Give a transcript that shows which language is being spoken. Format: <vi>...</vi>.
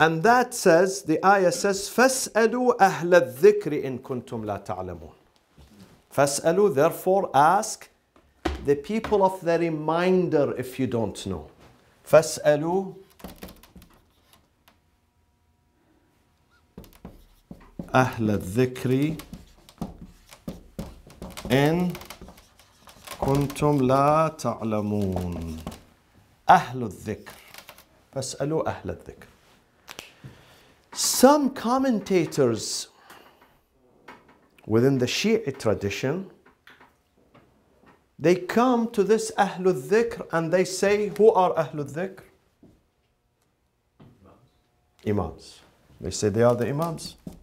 <en>And that says, the ayah says,</en> <ar>فَاسْأَلُوا أَهْلَ الذِّكْرِ إِن كُنْتُمْ لَا تَعْلَمُونَ. فَاسْأَلُوا,</ar> <en>therefore ask the people of the reminder if you don't know.</en> <ar>فَاسْأَلُوا. أهل الذكر إن كنتم لا تعلمون أهل الذكر فاسألوا أهل الذكر.</ar> <en>Some commentators within the Shi'i tradition, they come to this أهل الذكر and they say, who are أهل الذكر? Imams. They say they are the Imams.</en>